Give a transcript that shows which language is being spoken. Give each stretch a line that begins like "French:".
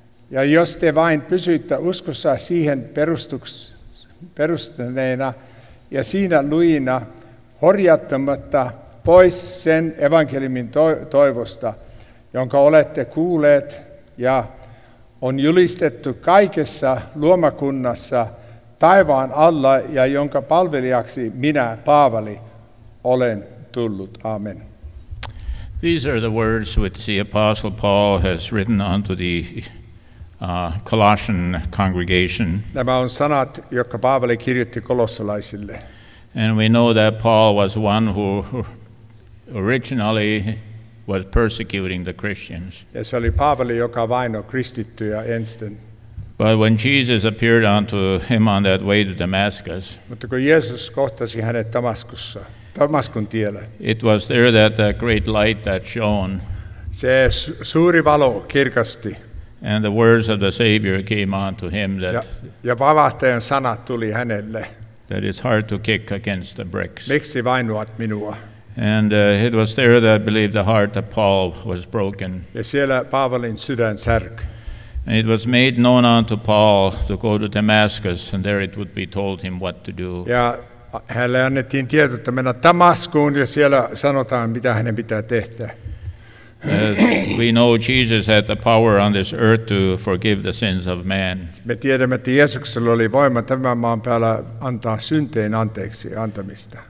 Finnish: Ja jos te vain pysytte uskossa siihen perustuneena ja siinä lujina, horjattamatta pois sen evankeliumin toivosta, jonka olette kuulleet ja on julistettu kaikessa luomakunnassa taivaan alla ja jonka palvelijaksi minä, Paavali, olen tullut. Amen.
English: These are the words which the Apostle Paul has written unto the Colossian congregation.
Finnish: Nämä on sanat, jotka Paavali kirjoitti kolossalaisille.
English: And we know that Paul was one who originally was persecuting the Christians.
Finnish: Ja se oli Paavali, joka vainoi kristittyjä ensin.
English: But when Jesus appeared unto him on that way to Damascus,
Finnish: mutta kun Jeesus kohtasi hänet Damaskun tiellä,
English: it was there that the great light that shone.
Finnish: Se suuri valo kirkasti.
English: And the words of the Savior came unto him that.
Finnish: Ja vavahtajan sanat tuli hänelle.
English: That it's hard to kick against the bricks.
Finnish: Miksi vainoat minua?
English: And it was there that I believe the heart of Paul was broken.
Finnish: Ja siellä Paavalin sydän särk.
English: And it was made known unto Paul to go to Damascus, and there it would be told him what to do.
Finnish: Ja hänelle annettiin tieto, että mennä Damaskuun, ja siellä sanotaan, mitä hänen pitää tehdä.
English: As we know, Jesus had the power on this earth to forgive the sins of man.
Finnish: Me tiedämme, että Jeesuksella oli voima tämän maan päällä antaa synteen anteeksi antamista.